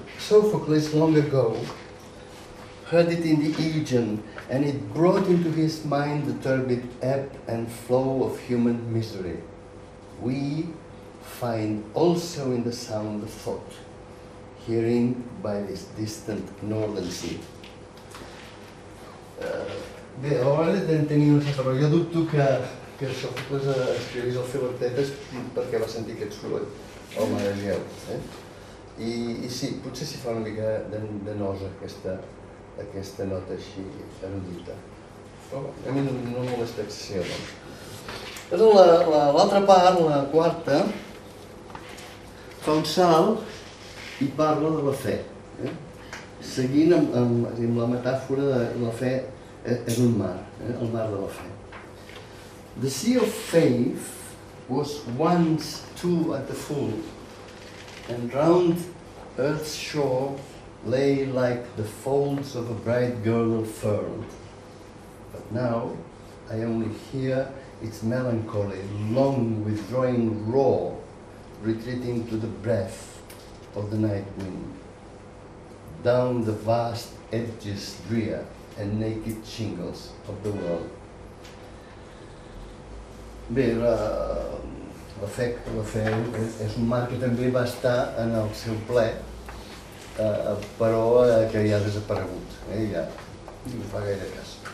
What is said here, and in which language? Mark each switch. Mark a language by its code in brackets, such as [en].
[en] Sophocles long ago heard it in the Aegean, and it brought into his mind the turbid ebb and flow of human misery. We find also in the sound of thought, hearing by this distant northern sea. [ca] Bé, a vegades hem tenit una certa, però jo dubto que això fos escrivís el Filó Tetes perquè va sentir aquest soroll, home de Déu. I sí, potser s'hi fa una mica de nosa aquesta nota així erudita. A mi no molesta excessió, doncs. Però l'altra part, la quarta, fa un salt i parla de la fe. Seguint amb la metàfora de la fe és un mar, el mar de la fe. [en] The sea of faith was once too at the full, and round earth's shore lay like the folds of a bright girdle furled. But now I only hear its melancholy, long withdrawing roar, retreating to the breath of the night wind. Down the vast edges drear and naked shingles of the world. [ca] Bé, la fe és un mar que també va estar en el seu ple, però que ja ha desaparegut, ja no fa gaire cas.